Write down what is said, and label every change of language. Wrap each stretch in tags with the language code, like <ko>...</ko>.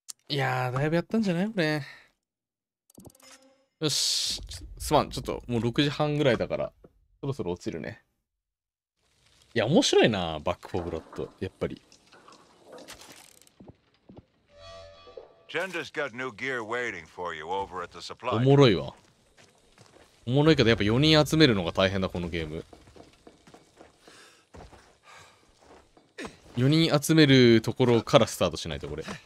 <ja>いやー、だいぶやったんじゃないこれ。よし、すまん、ちょっともう6時半ぐらいだからそろそろ落ちるね。いや、面白いなバックフォーブロッド、やっぱり。</ja> <en>Jenda's got new gear waiting for you over at the supply.</en> <ja>おもろいわ。おもろいけど、やっぱ4人集めるのが大変だ、このゲーム。 4人集めるところからスタートしないと、これ。</ja>